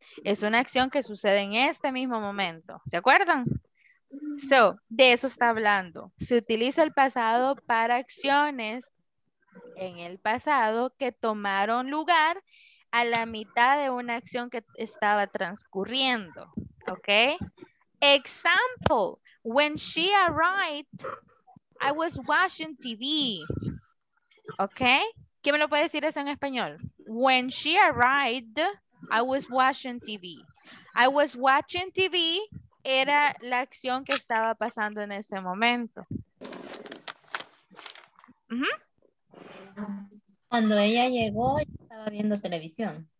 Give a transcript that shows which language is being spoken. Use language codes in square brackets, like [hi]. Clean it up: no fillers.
[es] Es una acción que sucede en este mismo momento. ¿Se acuerdan? So, de eso está hablando. Se utiliza el pasado para acciones en el pasado que tomaron lugar a la mitad de una acción que estaba transcurriendo, okay? [en] Example, when she arrived, I was watching TV, okay? [es] ¿Quién me lo puede decir eso en español? [en] When she arrived, I was watching TV. I was watching TV [es] era la acción que estaba pasando en ese momento. Mm-hmm. Cuando ella llegó, estaba viendo televisión.